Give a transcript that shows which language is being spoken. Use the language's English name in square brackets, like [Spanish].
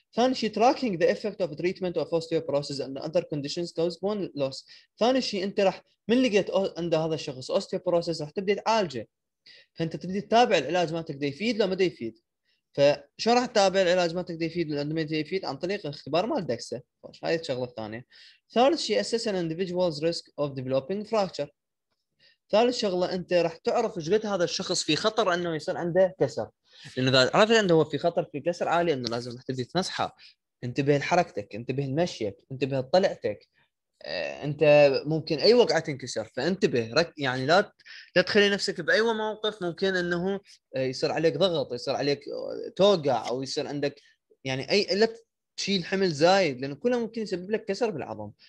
[Arabic] ثاني شيء [English] tracking the effect of treatment of osteoporosis and other conditions cause bone loss. [Arabic] ثاني شيء أنت راح من لقيت عند هذا الشخص osteoporosis راح تبدأ تعالجه، فأنت تبدأ تتابع العلاج ما تقدر يفيد لو ما يفيد. فشو راح تتابع العلاج ما تقدر يفيد لو ما يفيد؟ عن طريق اختبار مال دكسة. هاي الشغلة الثانية. ثالث شيء [English] assess an individual's risk of developing fracture. [Arabic] ثالث شغلة أنت راح تعرف إيش قد هذا الشخص في خطر أنه يصير عنده كسر، لأنه إذا عرفت عنده هو في خطر في كسر عالي أنه لازم راح تبدي تنصحه، انتبه لحركتك، انتبه لمشيك، انتبه لطلعتك، أنت ممكن أي وقعة تنكسر، فانتبه يعني لا تخلي نفسك بأي موقف ممكن أنه يصير عليك ضغط، يصير عليك توقع، أو يصير عندك يعني أي لا تشيل حمل زايد، لأنه كله ممكن يسبب لك كسر بالعظم.